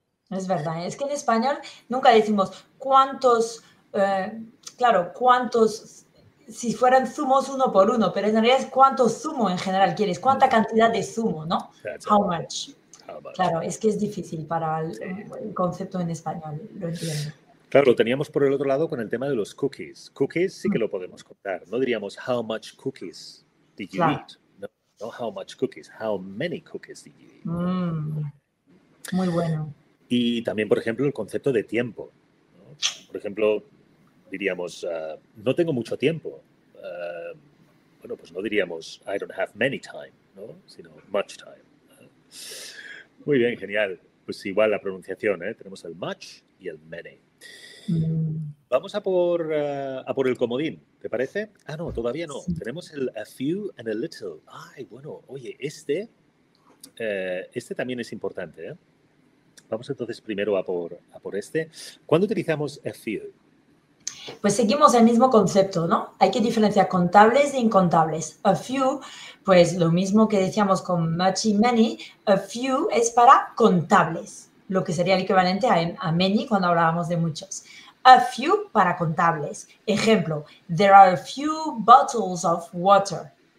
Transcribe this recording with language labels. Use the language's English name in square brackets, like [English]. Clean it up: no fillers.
[Spanish] Es verdad, es que en español nunca decimos cuántos, cuántos, si fueran zumos uno por uno, pero en realidad es cuánto zumo en general quieres, cuánta cantidad de zumo, ¿no? [English] How much. [Spanish] Claro, es que es difícil para el concepto en español, lo entiendo. Claro, lo teníamos por el otro lado con el tema de los cookies. Cookies sí que lo podemos contar. No diríamos, [English] how much cookies did you eat? [Spanish] No, no, [English] how much cookies, how many cookies did you eat? [Spanish] Muy bueno. Y también, por ejemplo, el concepto de tiempo, ¿no? Por ejemplo, diríamos, no tengo mucho tiempo. Bueno, pues no diríamos, [English] I don't have many time, [Spanish] ¿no?, sino [English] much time. [Spanish] Muy bien, genial. Pues igual la pronunciación, ¿eh? Tenemos el much y el many. Vamos a por el comodín, ¿te parece? Ah, no, todavía no. Sí. Tenemos el [English] a few and a little. [Spanish] Ay, bueno, oye, este también es importante, ¿eh? Vamos entonces primero a por este. ¿Cuándo utilizamos a few? Pues seguimos el mismo concepto, ¿no? Hay que diferenciar contables e incontables. A few, pues lo mismo que decíamos con much y many, a few es para contables, lo que sería el equivalente a many cuando hablábamos de muchos. A few para contables. Ejemplo, [English] there are a few bottles of water.